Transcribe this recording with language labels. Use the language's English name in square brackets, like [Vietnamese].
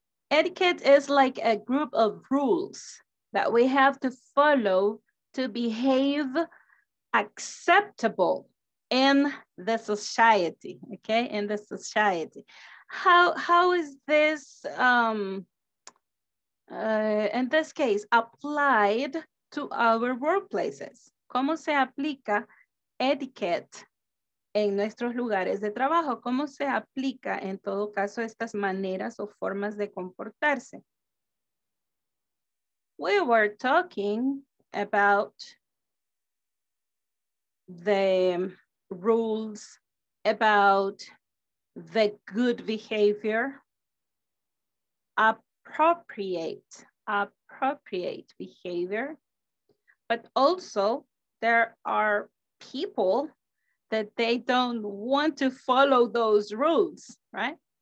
[English] Etiquette is like a group of rules that we have to follow to behave acceptable in the society, okay? In the society. How is this, in this case, applied to our workplaces? [Spanish] ¿Cómo se aplica etiquette en nuestros lugares de trabajo? ¿Cómo se aplica, en todo caso, estas maneras o formas de comportarse? [English] We were talking about the rules, about the good behavior, appropriate behavior, but also there are people that they don't want to follow those rules, right?